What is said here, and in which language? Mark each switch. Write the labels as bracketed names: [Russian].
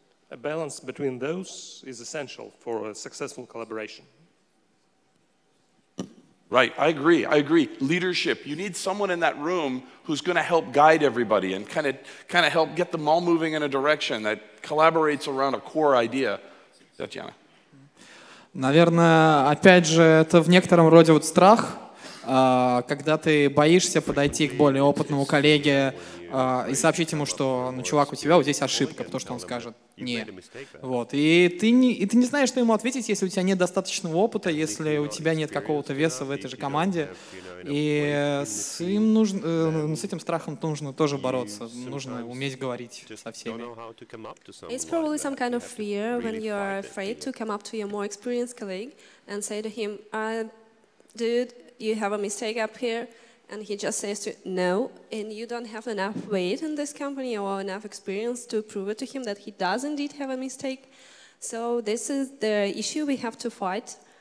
[English] A balance between those is essential for a successful collaboration. Right, I agree. Leadership, you need someone in that room who's gonna help guide everybody and kinda help get them all moving in a direction that collaborates around a core idea. [Russian] Татьяна. Наверное, опять же, это в некотором роде вот страх, когда ты боишься подойти к более опытному коллеге и сообщить ему, что, ну, чувак, у тебя вот здесь ошибка, потому что он скажет «нет». Вот. И ты не знаешь, что ему ответить, если у тебя нет достаточного опыта, если у тебя нет какого-то веса в этой же команде. И с этим страхом нужно тоже бороться, нужно уметь говорить со всеми. [English] It's probably some kind of fear when you are afraid to come up to your more experienced colleague and say to him, dude, you have a mistake up here. And he just says to no, and you don't have enough weight in this company or enough experience to prove it to him that he does indeed have a mistake. So this is the issue we have to fight.